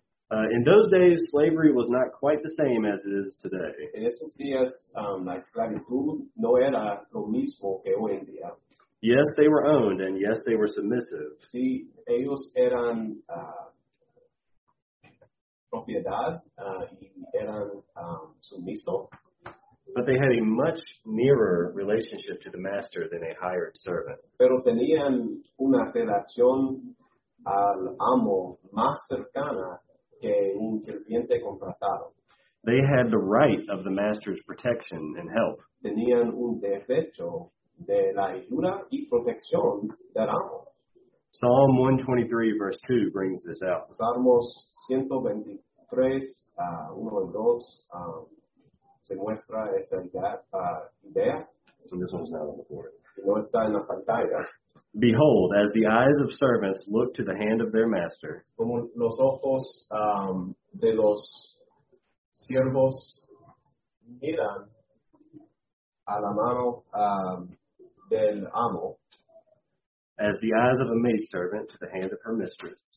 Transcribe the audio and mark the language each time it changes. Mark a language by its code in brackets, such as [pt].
[en] In those days, slavery was not quite the same as it is today. [es] En esos días, la esclavitud no era lo mismo que hoy en día. [en] Yes, they were owned, and yes, they were submissive. [es] Sí, ellos eran propiedad y eran sumiso. [en] But they had a much nearer relationship to the master than a hired servant. [es] Pero tenían una relación al amo más cercana que un sirviente contratado. [en] They had the right of the master's protection and help. [es] Tenían un derecho de la ayuda y protección del amo. [en] Psalm 123, verse 2 brings this out. [es] Salmos 123, 1 y 2, se muestra esa idea. [en] And this one's not on the board. [es] No está en la pantalla. [en] Behold, as the eyes of servants look to the hand of their master, [es] como los ojos de los siervos miran a la mano del amo, [en] as the eyes of a maidservant to the hand of her mistress,